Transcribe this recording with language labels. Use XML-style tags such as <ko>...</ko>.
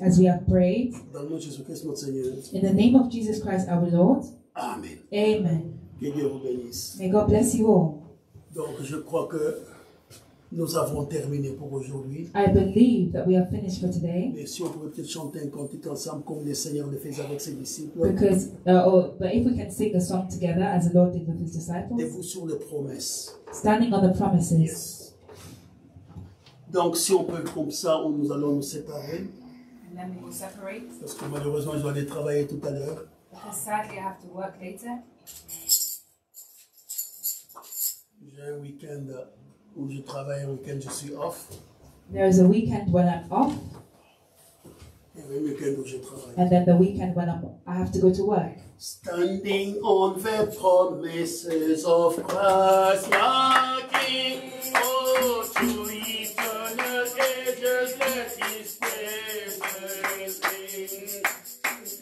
<en>as we have prayed,</en> <fr>dans le nom de Jésus Christ notre Seigneur.</fr> <en>In the name of Jesus Christ our Lord.</en> <fr>Amen.</fr> <en>Amen.</en> <fr>Que Dieu vous bénisse.</fr> <en>May God bless you all.</en> <fr>Donc je crois que nous avons terminé pour aujourd'hui.</fr> <en>I believe that we have finished for today.</en> <fr>Mais si on pouvait peut-être chanter un cantique ensemble comme le Seigneur le fait avec ses disciples.</fr> <en>But if we can sing a song together as the Lord did with his disciples.</en> <fr>Debout sur les promesses.</fr> <en>Standing on the promises. Yes.</en> <fr>Donc si on peut comme ça, nous allons nous séparer.</fr> <en>And then we will separate.</en> <fr>Parce que malheureusement, je dois aller travailler tout à l'heure.</fr> <en>Because sadly, I have to work later.</en> <fr>J'ai un week-end où je travaille, un week-end je suis off.</fr> <en>There is a weekend when I'm off.</en> <fr>Et le week-end où je travaille.</fr> <en>And then the weekend when I have to go to work. Standing on the promises of Christ, knocking, oh, to eternal ages, let his presence ring.</en>